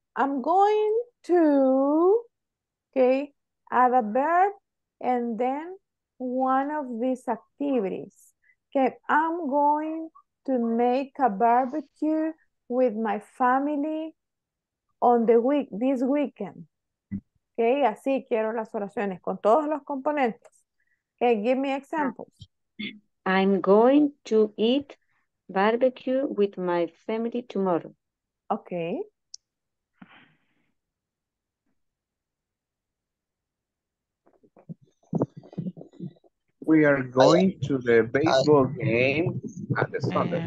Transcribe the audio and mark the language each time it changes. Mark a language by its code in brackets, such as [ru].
[en] I'm going to, okay, add a verb and then one of these activities. Okay, I'm going to make a barbecue with my family on the week, this weekend. [es] Okay, así quiero las oraciones con todos los componentes. [en] Okay, give me examples. I'm going to eat barbecue with my family tomorrow. Okay. We are going to the baseball game at the Sunday.